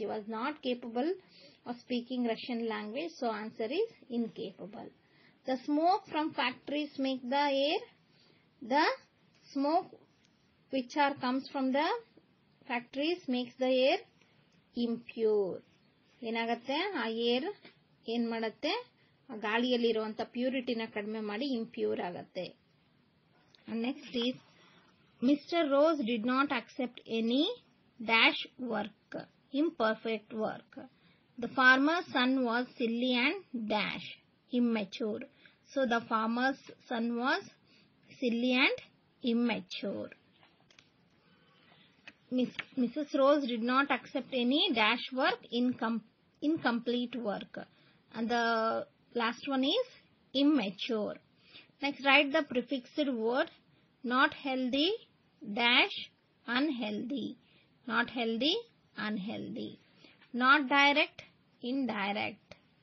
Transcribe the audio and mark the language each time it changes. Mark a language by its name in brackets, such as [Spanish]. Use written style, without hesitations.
[English] He was not capable of speaking Russian language. So answer is incapable. The smoke from factories make the air. The smoke which comes from the factories makes the air impure. [Kannada] Enagutte aa air ಏನ್ ಮಾಡುತ್ತೆ ಆ ಗಾಳಿಯಲ್ಲಿ ಇರುವಂತ ಪ್ಯೂರಿಟಿನ ಕಡಿಮೆ ಮಾಡಿ impure ಆಗುತ್ತೆ. [English] Next is, mister Rose did not accept any dash work, imperfect work. The farmer son was silly and dash immature. So the farmer's son was silly and immature. Missus Rose did not accept any dash work, incomplete work. And the last one is immature. Next, write the prefixed word, not healthy, dash, unhealthy. Not healthy, unhealthy. Not direct, indirect.